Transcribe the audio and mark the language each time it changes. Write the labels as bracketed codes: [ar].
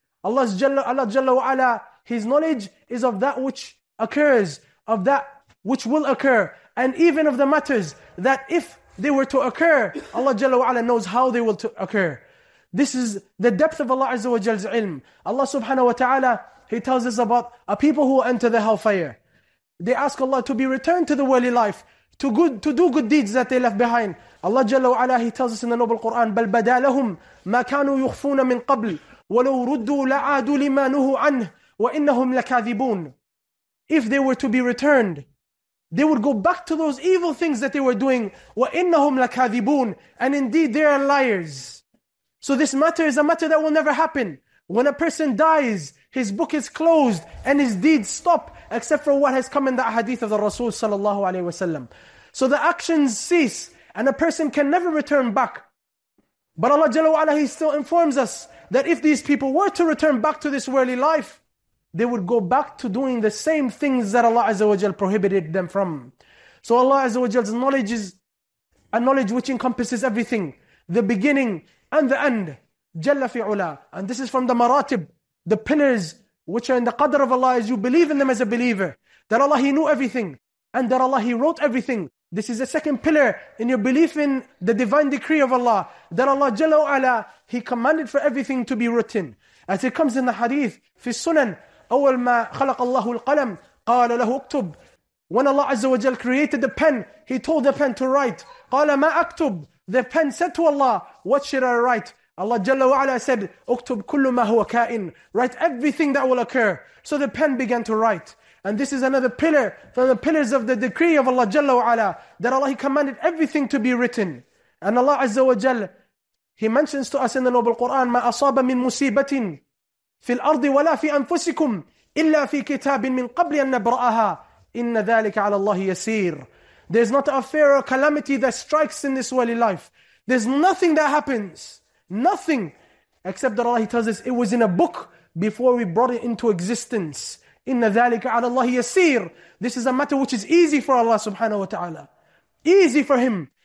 [en] Allah Jalla wa Ala, His knowledge is of that which occurs, of that which will occur, and even of the matters that if they were to occur. Allah Jalla wa'ala knows how they will to occur. This is the depth of Allah Azza wa Jal's ilm. Allah subhanahu wa ta'ala, He tells us about a people who enter the hellfire. They ask Allah to be returned to the worldly life, to do good deeds that they left behind. Allah Jalla wa'ala, He tells us in the Noble Quran, [ar] بَلْ بَدَى لَهُمْ مَا كَانُوا يُخْفُونَ مِنْ قَبْلِ وَلَوْ رُدُّوا لَعَادُوا لِمَا نُهُوا عَنْهُ وَإِنَّهُمْ لَكَاذِبُونَ. [en] If they were to be returned, they would go back to those evil things that they were doing. [ar] وَإِنَّهُمْ لَكَاذِبُونَ. [en] And indeed they are liars. So this matter is a matter that will never happen. When a person dies, his book is closed and his deeds stop, except for what has come in the hadith of the Rasul sallallahu alaihi wasallam. So the actions cease and a person can never return back. But Allah Jalla wa'ala, He still informs us that if these people were to return back to this worldly life, they would go back to doing the same things that Allah Azza wa Jal prohibited them from. So Allah Azza wa Jal's knowledge is a knowledge which encompasses everything, the beginning and the end. Jalla fi ula. And this is from the maratib, the pillars which are in the qadr of Allah, as you believe in them as a believer. That Allah, He knew everything, and that Allah, He wrote everything. This is the second pillar in your belief in the divine decree of Allah. That Allah Jalla wa'ala, He commanded for everything to be written. As it comes in the hadith, [ar] في السنن, أول ما خلق الله القلم قال له اكتب. [en] When Allah Azza wa Jal created the pen, He told the pen to write. [ar] قال ما اكتب. [en] The pen said to Allah, what should I write? Allah Jalla wa'ala said, [ar] اكتب كل ما هو كائن. [en] Write everything that will occur. So the pen began to write. And this is another pillar from the pillars of the decree of Allah Jalla wa'ala, that Allah, He commanded everything to be written. And Allah Azza wa Jal, He mentions to us in the Noble Quran, [ar] مَا أَصَابَ مِن مُسِيبَةٍ فِي الْأَرْضِ وَلَا فِي أَنفُسِكُمْ إِلَّا فِي كِتَابٍ مِن قَبْلِ أَن نَبْرَأَهَا إِنَّ ذَلِكَ عَلَى اللَّهِ يَسِيرٌ. [en] There's not a fear or calamity that strikes in this worldly life. There's nothing that happens. Nothing. Except that Allah, He tells us, it was in a book before we brought it into existence. [ar] إِنَّ ذَلِكَ عَلَى اللَّهِ يَسِيرٌ. [en] This is a matter which is easy for Allah subhanahu wa ta'ala. Easy for Him.